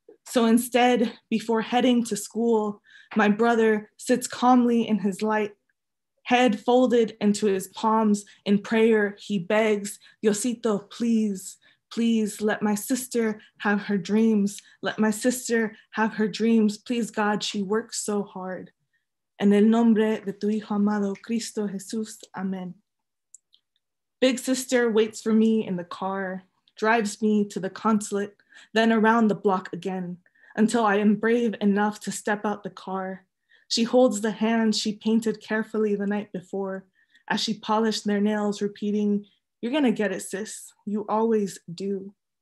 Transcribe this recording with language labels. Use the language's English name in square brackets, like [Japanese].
[English] So instead, before heading to school, my brother sits calmly in his light, head folded into his palms. In prayer, he begs, "Yosito, please, please let my sister have her dreams. Let my sister have her dreams. Please God, she works so hard. [Spanish] En el nombre de tu hijo amado, Cristo Jesús, amen." [English] Big sister waits for me in the car, drives me to the consulate, then around the block again, until I am brave enough to step out the car. She holds the hand she painted carefully the night before, as she polished their nails, repeating, "You're gonna get it, sis, you always do."